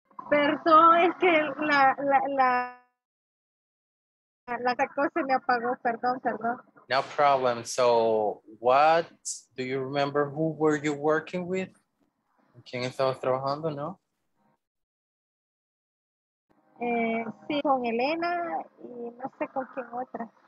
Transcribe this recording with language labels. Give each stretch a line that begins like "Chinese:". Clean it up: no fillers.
Spanish: Perdón, es que la cosa me apagó, perdón.
English: No problem. So what do you remember, who were you working with?
Spanish: ¿Quién estaba trabajando, no? Sí, con Elena y no sé con quién otra.